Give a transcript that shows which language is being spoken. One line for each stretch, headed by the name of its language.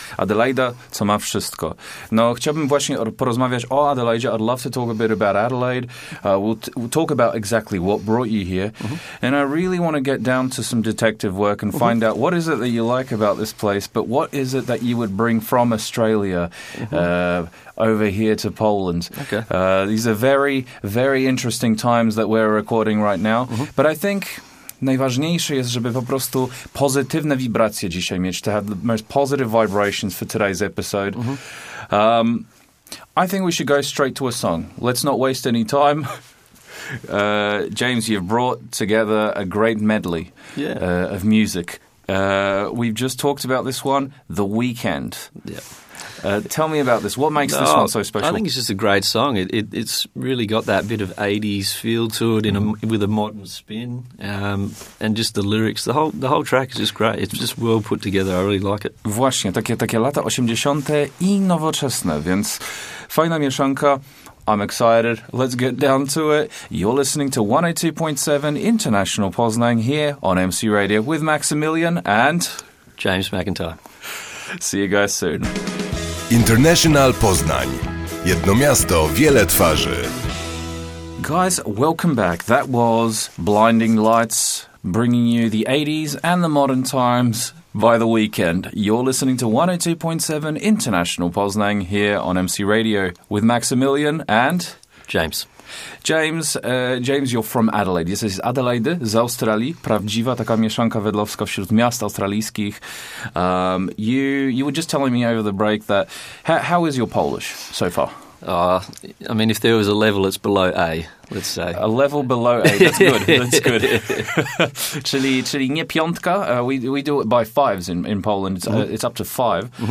Polish: Adelaida, co ma wszystko. No, chciałbym właśnie porozmawiać o Adelaide.
English: I'd love to talk a bit about Adelaide. We'll talk about exactly what brought you here. And I really want to get down to some detective work and find out what is it that you like about this place, but what is it that you would bring from Australia over here to Poland. Okay. These are very, very interesting times that we're recording right now. But I think
Polish: najważniejsze jest, żeby po prostu pozytywne wibracje dzisiaj mieć,
English: to have the most positive vibrations for today's episode. I think we should go straight to a song. Let's not waste any time. James, you've brought together a great medley of music. We've just talked about this one, The Weeknd. Yeah. Tell me about this. What makes this one so special? I think it's just a great song. It's really got that bit of 80s feel to it with a modern spin, and just the lyrics. The whole track is just great. It's just well put together. I really like it.
Polish: Właśnie, takie lata 80 I nowoczesne, więc fajna mieszanka.
English: I'm excited. Let's get down to it. You're listening to 102.7 International Poznań here on MC Radio with Maksymilian and... James McIntyre. See you guys soon. International Poznań.
Polish: Jedno miasto, wiele twarzy.
English: Guys, welcome back. That was Blinding Lights, bringing you the 80s and the modern times by The Weeknd. You're listening to 102.7 International Poznań here on MC Radio with Maksymilian and... James. James, you're from Adelaide.
Polish: Jesteś z Adelaide, z Australii. Prawdziwa taka mieszanka wedlowska wśród miast australijskich.
English: You were just telling me over the break that... How is your Polish so far? I mean, if there was a level, it's below A, let's say. A level below A, that's good.
Polish: czyli nie piątka,
English: we do it by fives in Poland, it's up to five.